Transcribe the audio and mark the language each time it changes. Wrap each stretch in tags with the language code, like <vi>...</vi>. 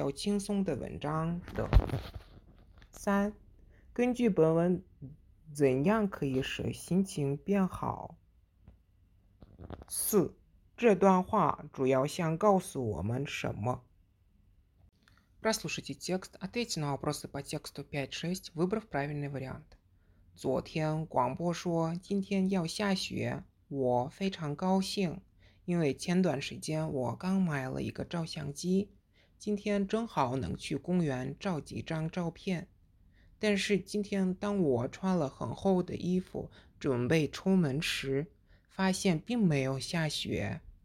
<zh>遇到烦恼事时，你应该想一些办法让自己从不高兴的心情中走出来，逐渐冷静下来。例如，去散散步，与熟悉的朋友聊聊有趣的事儿，阅读几篇比较轻松的文章等。 3. 根据本文，怎样可以使心情变好？ 4. 这段话主要想告诉我们什么？</zh> <ru>Прослушайте текст, ответьте на вопросы по тексту 5-6, выбрав правильный вариант.</ru> <zh>昨天广播说今天要下雪，我非常高兴，因为前段时间我刚买了一个照相机，今天正好能去公园照几张照片。但是今天当我穿了很厚的衣服，准备出门时，发现并没有下雪。</zh>